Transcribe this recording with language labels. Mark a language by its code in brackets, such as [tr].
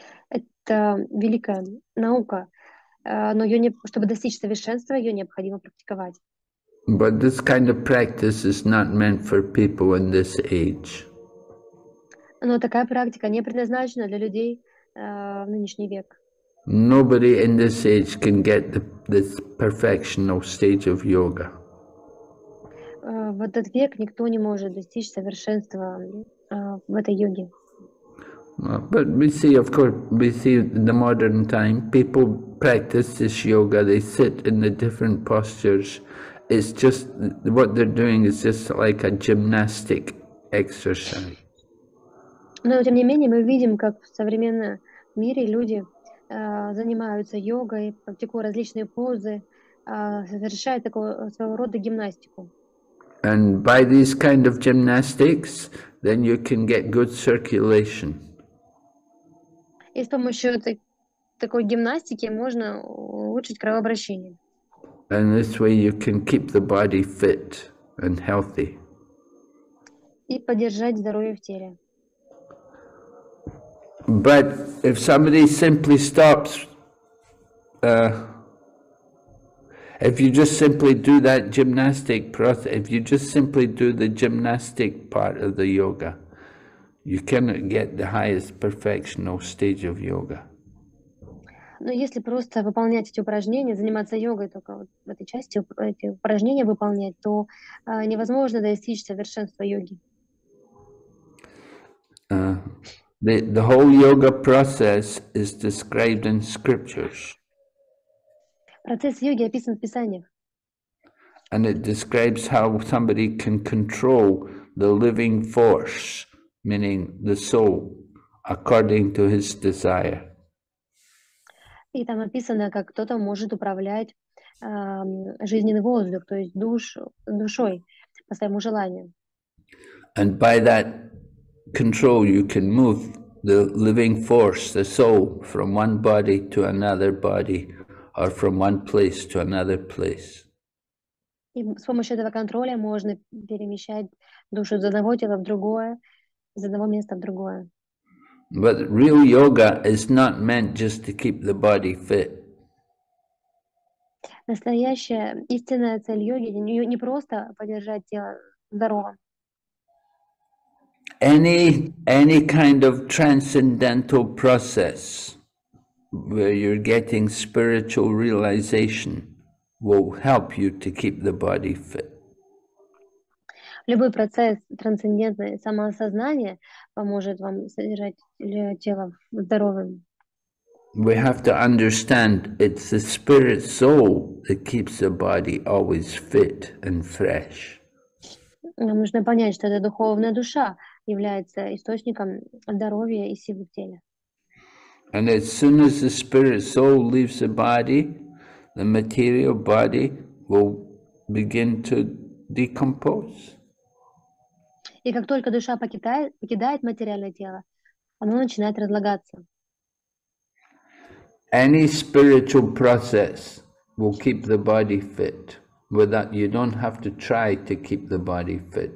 [ru] Это великая наука, но ее не, чтобы достичь совершенства, ее необходимо практиковать. [en] But this kind of practice is not meant for people in this age. [ru] Но такая практика не предназначена для людей в нынешний век. [en] Nobody in this age can get this perfectional stage of yoga. [ru] В этот век никто не может достичь совершенства в этой йоге. [en] But we see, of course, we see in the modern time people practice this yoga. They sit in the different postures. It's just what they're doing is just like a gymnastic exercise. [ru] Но тем не менее мы видим, как в современном мире люди занимаются йогой, практикуют различные позы, совершают такого своего рода гимнастику. [en] And by these kind of gymnastics, then you can get good circulation. [ru] И с помощью такой гимнастики можно улучшить кровообращение. [en] And this way you can keep the body fit and healthy. [ru] И поддержать здоровье в теле. [en] But if somebody simply stops, if you just simply do that gymnastic process, if you just simply do the gymnastic part of the yoga, you cannot get the highest perfectional stage of yoga. [ru] Но если просто выполнять эти упражнения, заниматься йогой только вот в этой части, эти упражнения выполнять, то невозможно достичь совершенства йоги. [en] The whole yoga process is described in scriptures. [ru] Процесс йоги описан в писаниях. [en] And it describes how somebody can control the living force, meaning the soul, according to his desire. [ru] И там описано, как кто-то может управлять жизненный воздух, то есть душой по своему желанию. [en] And by that control you can move the living force, the soul, from one body to another body, or from one place to another place. [ru] И с помощью этого контроля можно перемещать душу из одного тела в другое, из одного места в другое. [en] But real yoga is not meant just to keep the body fit. [ru] Настоящая истинная цель йоги не просто поддержать тело здоровым. [en] Any kind of transcendental process where you're getting spiritual realization will help you to keep the body fit. [ru] Любой процесс трансцендентного самоосознания поможет вам содержать тело здоровым. [en] We have to understand it's the spirit soul that keeps the body always fit and fresh. [ru] Нам нужно понять, что это духовная душа является источником здоровья и силы в теле. [en] And as soon as the spirit soul leaves the body, the material body will begin to decompose. [ru] И как только душа покидает материальное тело, оно начинает разлагаться. [en] Any spiritual process will keep the body fit. Without, you don't have to try to keep the body fit.